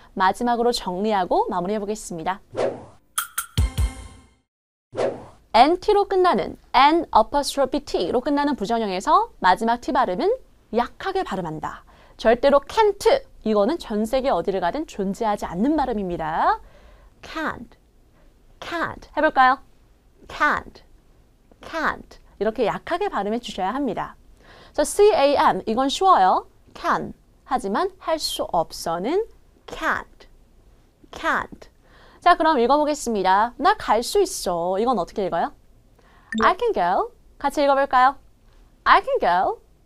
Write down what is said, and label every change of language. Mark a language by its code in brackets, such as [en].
[ko] 마지막으로 정리하고 마무리해 보겠습니다. NT로 끝나는 N apostrophe T로 끝나는 부정형에서 마지막 T 발음은 약하게 발음한다. 절대로 can't 이거는 전 세계 어디를 가든 존재하지 않는 발음입니다. can't, can't 해볼까요? [en] can't. [ko] can't 이렇게 약하게 발음해 주셔야 합니다. So C-A-M 이건 쉬워요. can 하지만 할 수 없어는 can't. [en] can't. [ko] 자 그럼 읽어보겠습니다. 나 갈 수 있어. 이건 어떻게 읽어요? [en] I can go. [ko] 같이 읽어볼까요? I can go.